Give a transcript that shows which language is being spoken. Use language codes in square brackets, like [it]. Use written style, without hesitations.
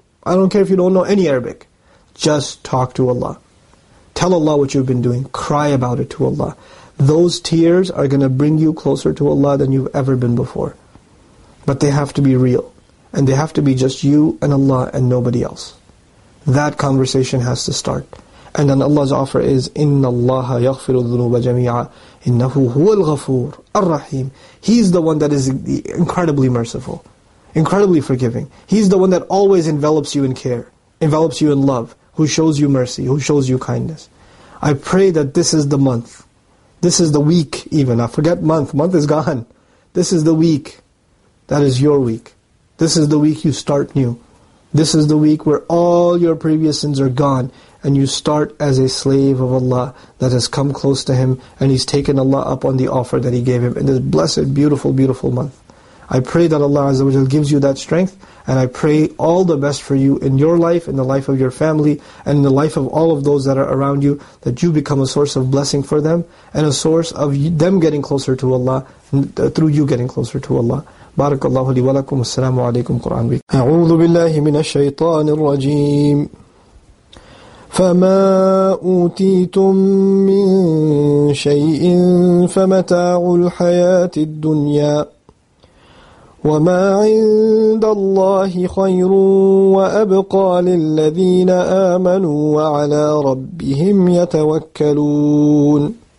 [en] I don't care if you don't know any Arabic. Just talk to Allah. Tell Allah what you've been doing. Cry about it to Allah. Those tears are going to bring you closer to Allah than you've ever been before. But they have to be real. And they have to be just you and Allah and nobody else. That conversation has to start. And then Allah's offer is, [ar] إِنَّ اللَّهَ يَغْفِرُ الذُّنُوبَ جَمِيعًا إِنَّهُ هُوَ الْغَفُورُ الرَّحِيمُ. [en] He's the one that is incredibly merciful, incredibly forgiving. He's the one that always envelops you in care, envelops you in love, who shows you mercy, who shows you kindness. I pray that this is the month. This is the week even. I forget month. Month is gone. This is the week. That is your week. This is the week you start new. This is the week where all your previous sins are gone and you start as a slave of Allah that has come close to Him and He's taken Allah up on the offer that He gave Him in this blessed, beautiful, beautiful month. I pray that Allah Azza wa Jalla gives you that strength, and I pray all the best for you in your life, in the life of your family, and in the life of all of those that are around you, that you become a source of blessing for them and a source of them getting closer to Allah through you getting closer to Allah. [ar] بارك الله لي ولكم السلام عليكم قرآن بك أعوذ بالله من الشيطان الرجيم فما أوتيتم من شيء فمتاع الحياة الدنيا وما عند الله خير وأبقى للذين آمنوا وعلى ربهم يتوكلون